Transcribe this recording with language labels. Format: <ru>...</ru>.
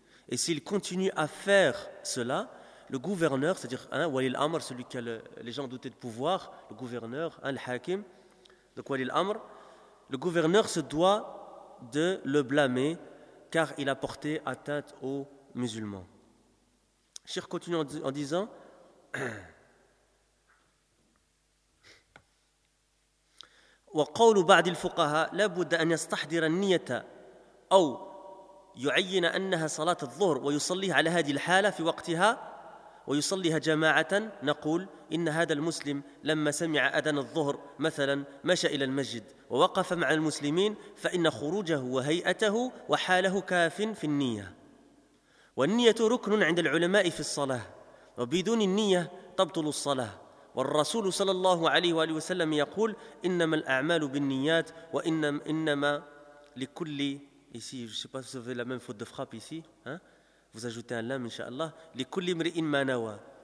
<fr>Et s'il continue à faire cela, le gouverneur, c'est-à-dire hein, Walil Amr, celui qui a les gens dotés de pouvoir, le gouverneur, hein, le hakim, donc Walil Amr, le gouverneur se doit de le blâmer car il a porté atteinte aux musulmans. Shir continue en disant</fr> <ar>وقول بعض الفقهاء لابد أن يستحضر النية أو يعين أنها صلاة الظهر ويصليها على هذه الحالة في وقتها ويصليها جماعة. نقول إن هذا المسلم لما سمع أذان الظهر مثلا مشى إلى المسجد ووقف مع المسلمين فإن خروجه وهيئته وحاله كاف في النية. والنية ركن عند العلماء في الصلاة، وبدون النية تبطل الصلاة. والرسول صلى الله عليه وآله وسلم يقول إنما الأعمال بالنيات وإنما لكل</ar> <fr>ici je sais pas si vous avez la même faute de frappe ici hein, vous ajoutez un lam inshallah</fr> <ar>لكل امرئ ما نوى.</ar>